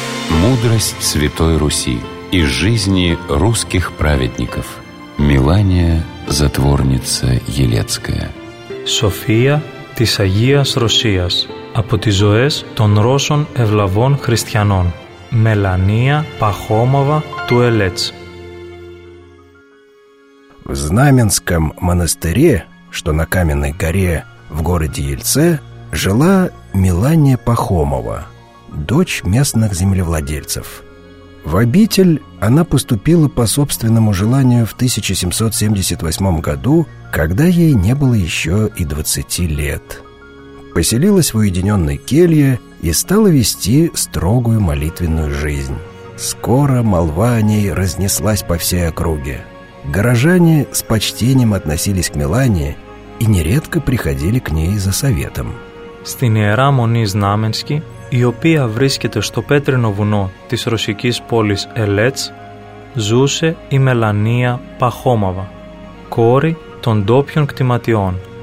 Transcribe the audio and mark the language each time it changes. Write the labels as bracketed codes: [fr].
[ru] Мудрость Святой Руси и жизни русских праведников. Милания Затворница Елецкая. [el] София της Агίας Ρωσίας. Από τις ζωές των Ρώσων ευλαβών χριστιανών. Μελανία Παχόμοβα του Ελέτς. [ru] В Знаменском монастыре, что на Каменной горе в городе Ельце, жила Мелания Пахомова, дочь местных землевладельцев. В обитель она поступила по собственному желанию в 1778 году, когда ей не было еще и 20 лет. Поселилась в уединенной келье и стала вести строгую молитвенную жизнь. Скоро молва о ней разнеслась по всей округе. Горожане с почтением относились к Мелании и нередко приходили к ней за советом. [el] Στην Ιερά Μονή Знаменσκη, η οποία βρίσκεται στο πέτρινο βουνό της ρωσικής πόλης Ελέτς, ζούσε η Μελανία Παχόμαβα, κόρη των ντόπιων κτηματιών.